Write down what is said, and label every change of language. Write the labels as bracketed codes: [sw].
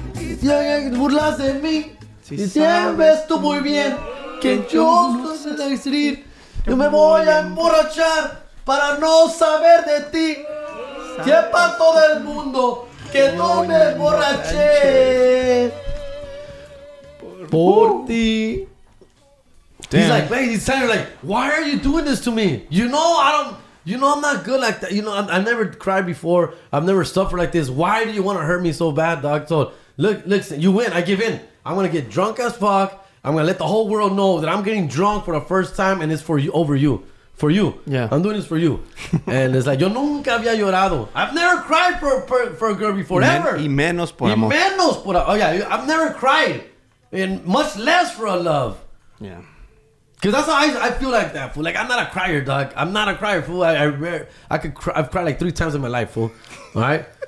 [es] Si alguien burlas de mí, si siempre estoy muy bien, que yo no sé decir, yo me voy a emborrachar para no saber de ti. Sepa todo el mundo que no me emborraché. Por ti. [en] He's like, man, he's telling her like, why are you doing this to me? You know, I'm not good like that. You know, I never cried before. I've never suffered like this. Why do you want to hurt me so bad, dog? So listen, you win. I give in. I'm going to get drunk as fuck. I'm going to let the whole world know that I'm getting drunk for the first time. And it's for you, over you. For you. Yeah. I'm doing this for you. And it's like, [es] yo nunca había llorado. [en] I've never cried for a girl before, ever. [es] Y menos por amor. Y menos por amor. [en] Oh, yeah. I've never cried. And much less for a love. Yeah. Because that's how I feel like that, fool. Like, I'm not a crier, dog. I'm not a crier, fool. I've cried like 3 times in my life, fool. All right?